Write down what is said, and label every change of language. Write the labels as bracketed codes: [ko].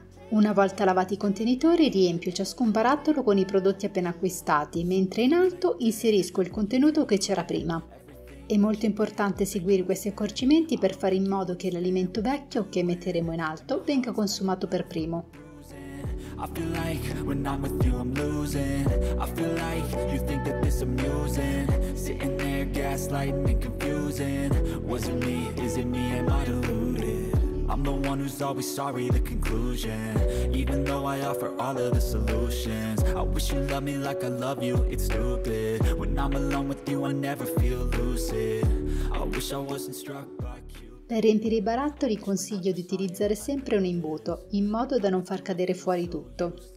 [it] Una volta lavati i contenitori, riempio ciascun barattolo con i prodotti appena acquistati, mentre in alto inserisco il contenuto che c'era prima. È molto importante seguire questi accorgimenti per fare in modo che l'alimento vecchio che metteremo in alto venga consumato per primo. [en] I feel like when I'm with you I'm losing. I feel like you think that this amusing. Sitting there gaslighting and confusing. Was it me? Is it me? Am I deluded? I'm the one who's always sorry, the conclusion. Even though I offer all of the solutions. I wish you loved me like I love you, it's stupid. When I'm alone with you I never feel lucid. I wish I wasn't struck by you. [it] Per riempire i barattoli consiglio di utilizzare sempre un imbuto, in modo da non far cadere fuori tutto.